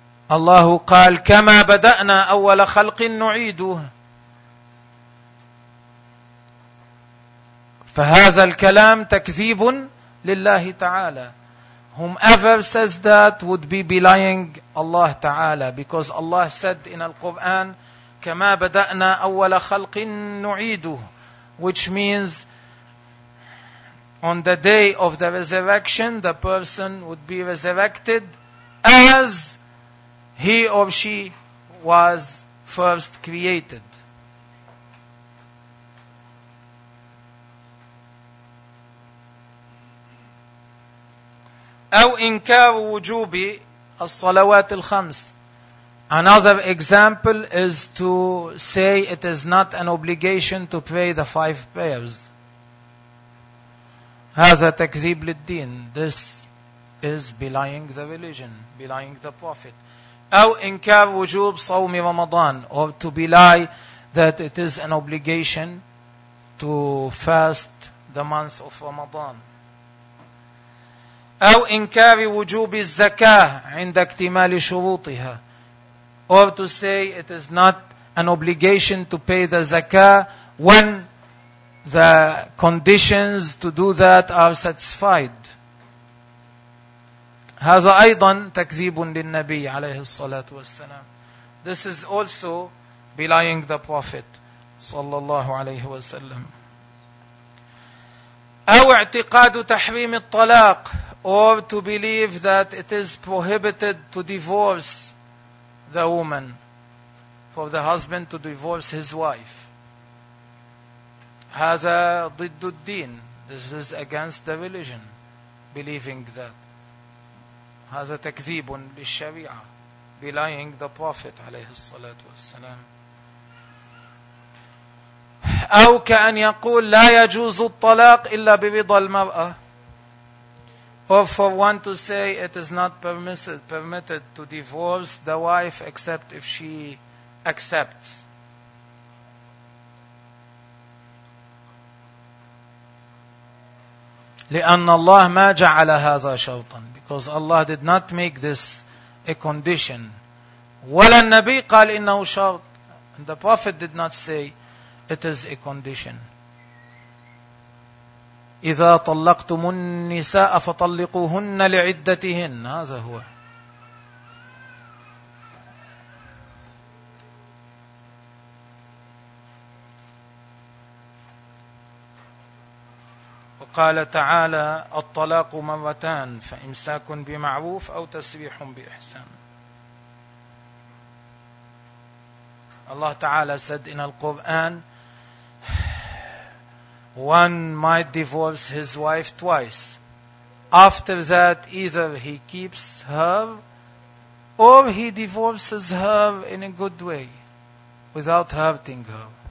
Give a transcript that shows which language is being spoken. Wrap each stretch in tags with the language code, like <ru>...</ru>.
<ar>الله قال كما بدأنا أول خلق نعيده. فهذا الكلام تكذيب لله تعالى.</ar> <en>Whomever says that would be belying Allah Ta'ala, because Allah said in Al-Quran</en> <ar>كما بدأنا أول خلق نعيده,</ar> <en>which means on the day of the resurrection the person would be resurrected as he or she was first created.</en> <ar>أو إنكار وجوب الصلوات الخمس.</ar> <en>Another example is to say it is not an obligation to pray the five prayers.</en> <ar>هذا تكذيب للدين.</ar> <en>This is belying the religion, belying the Prophet.</en> <ar>أو إنكار وجوب صوم رمضان,</ar> <en>or to belie that it is an obligation to fast the month of Ramadan.</en> <ar>أو إنكار وجوب الزكاة عند اكتمال شروطها,</ar> <en>or to say it is not an obligation to pay the zakah when the conditions to do that are satisfied.</en> <ar>هذا أيضا تكذيب للنبي عليه الصلاة والسلام.</ar> <en>This is also belying the Prophet</en> <ar>صلى الله عليه وسلم. أو اعتقاد تحريم الطلاق,</ar> <en>or to believe that it is prohibited to divorce the woman, for the husband to divorce his wife.</en> <ar>هذا ضد الدين.</ar> <en>This is against the religion, believing that.</en> <ar>هذا تكذيب للشريعة,</ar> <en>belying the Prophet</en> <ar>عليه الصلاة والسلام. أو كأن يقول لا يجوز الطلاق إلا برضا المرأة.</ar> <en>Or for one to say it is not permitted to divorce the wife except if she accept.</en> <ar>لِأَنَّ اللَّهَ مَا جَعَلَ هَذَا شَوْطًا.</ar> <en>Because Allah did not make this a condition.</en> <ar>وَلَا النَّبِي قَالْ إِنَّهُ شَوْطًا.</ar> <en>The Prophet did not say it is a condition.</en> <ar>إِذَا طَلَّقْتُمُ النِّسَاءَ فَطَلِّقُوهُنَّ لِعِدَّتِهِنَّ. هذا هو. قال تعالى الطلاق مرتان فإمساك بمعروف أو تسريح بإحسان.</ar> <en>الله تعالى said in Al-Quran, one might divorce his wife twice. After that, either he keeps her or he divorces her in a good way without hurting her.</en>